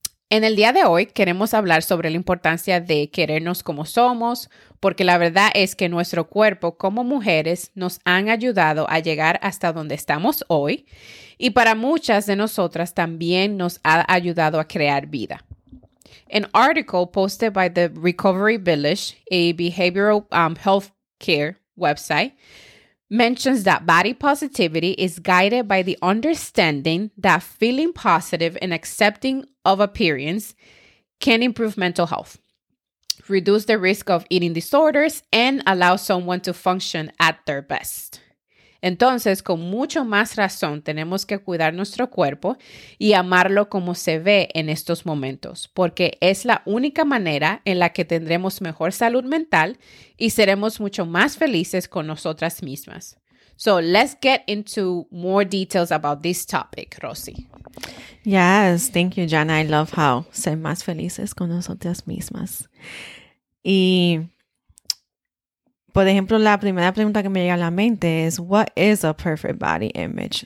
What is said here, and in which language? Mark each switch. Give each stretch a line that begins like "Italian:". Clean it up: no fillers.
Spanish: En el día de hoy queremos hablar sobre la importancia de querernos como somos, porque la verdad es que nuestro cuerpo como mujeres nos han ayudado a llegar hasta donde estamos hoy y para muchas de nosotras también nos ha ayudado a crear vida.
English: An article posted by the Recovery Village, a behavioral healthcare website, mentions that body positivity is guided by the understanding that feeling positive and accepting of appearance can improve mental health, reduce the risk of eating disorders, and allow someone to function at their best.
Spanish: Entonces, con mucho más razón, tenemos que cuidar nuestro cuerpo y amarlo como se ve en estos momentos, porque es la única manera en la que tendremos mejor salud mental y seremos mucho más felices con nosotras mismas.
English: So let's get into more details about this topic, Rosy. Yes, thank you, Jana. I love how
Spanish: ser más felices con nosotras mismas. Y por ejemplo, la primera pregunta que me llega a la mente es,
English: what is a perfect body image?